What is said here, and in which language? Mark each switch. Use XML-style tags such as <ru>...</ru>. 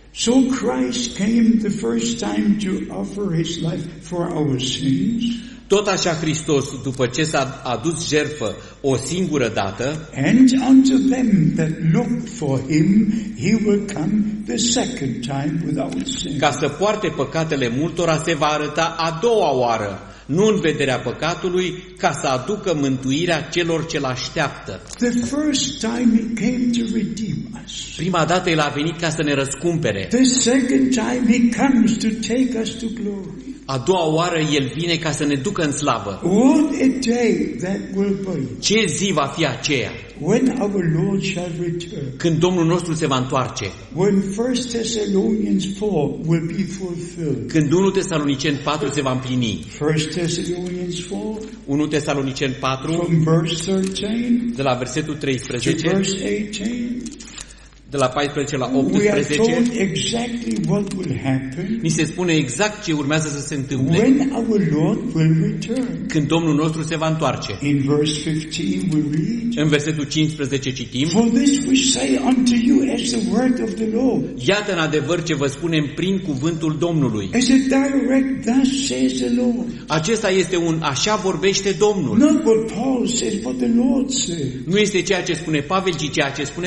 <en>So Christ came the first time to offer his life for our sins.</en> <ro>Tot așa Hristos, după ce s-a adus jertfă o singură dată,</ro> <en>and unto them that look for him, he will come the second time without sin.</en> <ro>Ca să poarte păcatele multora, se va arăta a doua oară, nu în vederea păcatului, ca să aducă mântuirea celor ce l-așteaptă.</ro> <en>The first time he came to redeem us.</en> <ro>Prima dată el a venit ca să ne răscumpere.</ro> <en>The second time he comes to take us to glory.</en> <ro>A doua oară El vine ca să ne ducă în slavă.</ro> <en>What a day that will be.</en> <ro>Ce zi va fi aceea?</ro> <en>When our Lord shall return.</en> <ro>Când Domnul nostru se va întoarce.</ro> <en>When 1 Thessalonians 4 will be fulfilled.</en> <ro>Când 1 Tesaloniceni 4 se va împlini.</ro> <en>1 Thessalonians 4.</en> <ro>1 Tesaloniceni 4.</ro> <en>From verse 13.</en> <ro>De la versetul 13.</ro> <en>To verse 18.</en> <ro>de la 14 la 18,</ro> <en>exactly what will happen,</en> <ro>ni se spune exact ce urmează să se întâmple</ro> <en>when our Lord will return.</en> <ro>Când Domnul nostru se va întoarce.</ro> <en>In verse 15 we read,</en> <ro>în versetul 15 citim,</ro> <en>for this we say unto you as the word of the Lord.</en> <ro>Iată în adevăr ce vă spunem prin cuvântul Domnului.</ro> <en>As a direct, thus says the Lord.</en> <ro>Acesta este un așa vorbește Domnul.</ro> <en>Not what Paul says, but the Lord says.</en> <ro>Nu este ceea ce spune Pavel, ci ceea ce spune</ro>